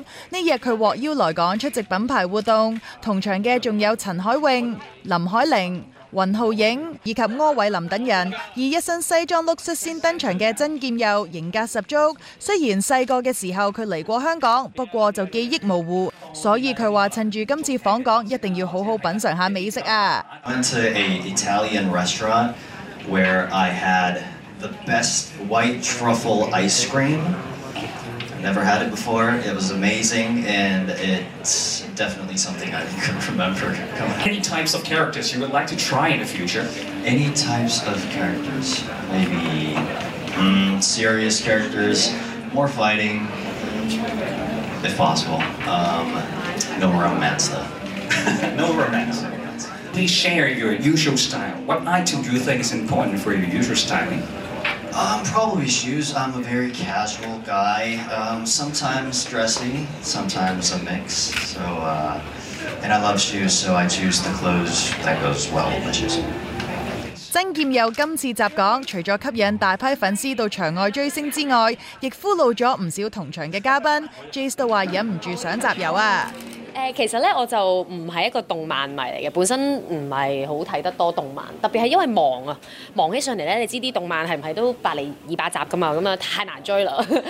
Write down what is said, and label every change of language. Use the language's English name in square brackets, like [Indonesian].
[Cantonese] 呢日佢获邀来港出席品牌活动，同场的仲有陈海颖、林海玲、云浩影以及柯伟林等人。而一身西装碌率先登场的真剑佑，型格十足。虽然细个的时候佢嚟过香港，不过就记忆模糊。所以他说趁着今次访港一定要好好品尝下美食啊。 [English] I went to an Italian restaurant where I had the best white truffle ice cream. I've never had it before. It was amazing and it's definitely something I could remember. Any types of characters you would like to try in the future? Any types of characters? Maybe serious characters, more fighting. If possible, no romance though. No romance. Please share your usual style. What item do you think is important for your usual styling? Probably shoes. I'm a very casual guy. Sometimes dressy, sometimes a mix. So, and I love shoes, so I choose the clothes that goes well with shoes. [Cantonese] 曾剑佑今次集港，除了吸引大批粉丝到场外追星之外，亦俘虏了不少同场的嘉宾。 Jace 都话忍不住想集邮啊！其实我就不是一个动漫迷嚟嘅，本身不是好看得多动漫，特别是因为忙啊，忙起上嚟你知啲动漫系唔系都百零二百集噶嘛，咁啊太难追了。